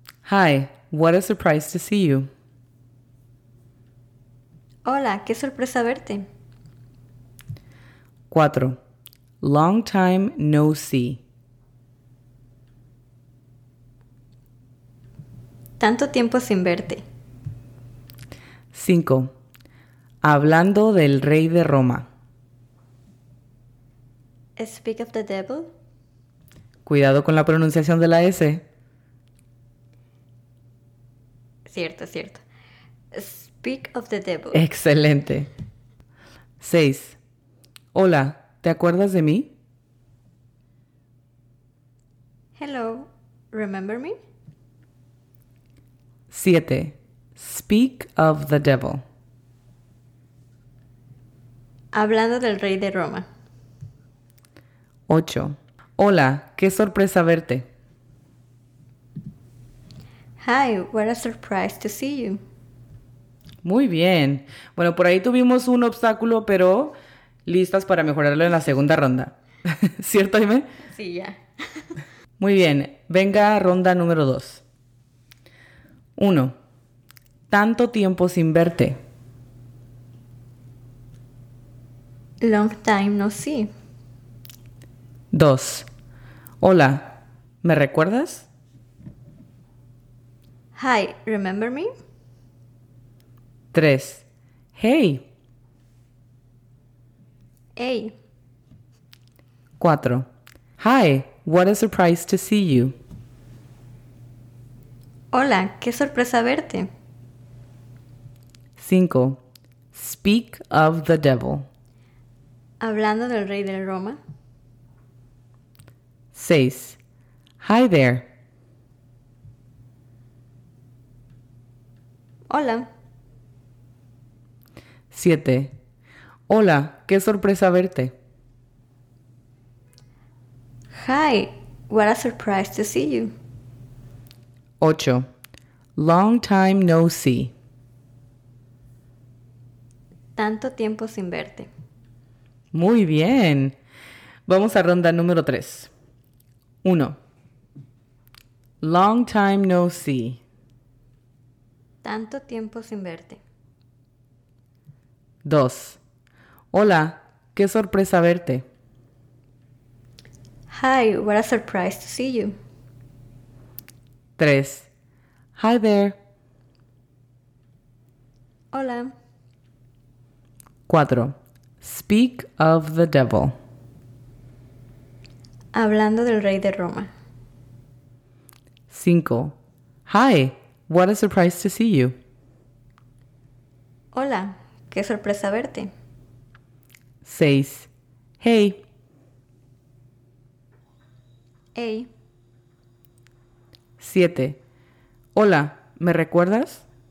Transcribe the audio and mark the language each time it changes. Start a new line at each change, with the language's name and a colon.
English: Hi, what a surprise to see you.
Spanish: Hola, qué sorpresa verte.
English: 4. Long time no see.
Spanish: Tanto tiempo sin verte. 5. Hablando del rey de Roma.
English: Speak of the devil.
Spanish: Cuidado con la pronunciación de la S. Cierto, cierto.
English: Speak of the devil.
Spanish: Excelente. 6. Hola, ¿te acuerdas de mí?
English: Hello, remember me? 7. Speak of the devil.
Spanish: Hablando del rey de Roma. 8. Hola, qué sorpresa verte.
English: Hi, what a surprise to see you.
Spanish: Muy bien. Bueno, por ahí tuvimos un obstáculo, pero listas para mejorarlo en la segunda ronda. ¿Cierto, Aimee? Sí, ya. Muy bien. Venga, ronda número 2. 1. Tanto tiempo sin verte.
English: Long time no see.
Spanish: 2. Hola, ¿me recuerdas?
English: Hi, remember me? 3. Hey. Hey. 4. Hi, what a surprise to see you.
Spanish: Hola, qué sorpresa verte.
English: 5. Speak of the devil.
Spanish: Hablando del rey de Roma.
English: 6. Hi there.
Spanish: Hola. 7. Hola, qué sorpresa verte.
English: Hi, what a surprise to see you. 8. Long time no see.
Spanish: Tanto tiempo sin verte. Muy bien. Vamos a ronda número 3. 1.
English: Long time no see.
Spanish: Tanto tiempo sin verte. 2. Hola, qué sorpresa verte.
English: Hi, what a surprise to see you. 3. Hi there.
Spanish: Hola.
English: 4. Speak of the devil.
Spanish: Hablando del rey de Roma. 5.
English: Hi, what a surprise to see you.
Spanish: Hola, qué sorpresa verte.
English: 6. Hey. Hey.
Spanish: 7. Hola, ¿me recuerdas?